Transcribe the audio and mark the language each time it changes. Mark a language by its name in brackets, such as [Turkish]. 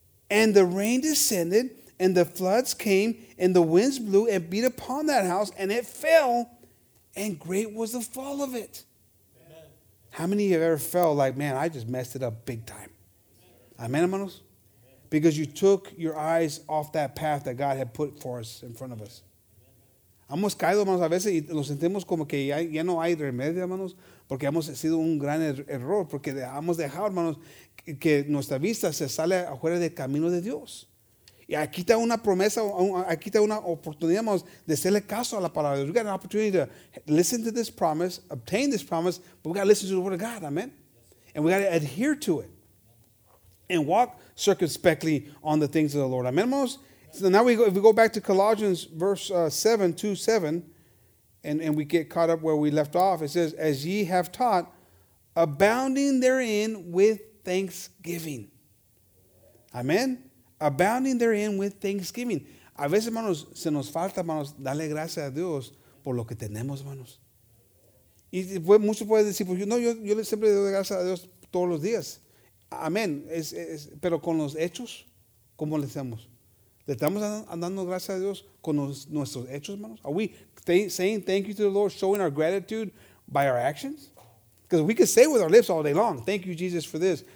[English] And the rain descended, and the floods came, and the winds blew and beat upon that house, and it fell, and great was the fall of it. Amen. How many of you have ever felt like, man, I just messed it up big time? Amen, hermanos? Amen. Because you took your eyes off that path that God had put for us in front of us. [Spanish] Hemos caído, hermanos, a veces, y nos sentimos como que ya no hay remedio, hermanos, porque hemos sido un gran error, porque hemos dejado, hermanos, que nuestra vista se sale afuera del camino de Dios. Y aquí está una promesa, aquí está una oportunidad, hermanos, de hacerle caso a la palabra. [English] We've got an opportunity to listen to this promise, obtain this promise, but we got to listen to the word of God, amen? And we got to adhere to it and walk circumspectly on the things of the Lord, amen, hermanos? So now if we go back to Colossians verse 7:2-7, and we get caught up where we left off, it says, as ye have taught, abounding therein with thanksgiving. Amen? Abounding therein with thanksgiving. [Spanish] A veces, hermanos, se nos falta, hermanos, darle gracias a Dios por lo que tenemos, hermanos. Y muchos pueden decir, pues, no, yo siempre doy gracias a Dios todos los días. Amén. Pero con los hechos, ¿cómo le hacemos? ¿Le estamos dando gracias a Dios con nuestros hechos, hermanos? [English] Are we saying thank you to the Lord, showing our gratitude by our actions? Because we could say with our lips all day long, thank you, Jesus, for this.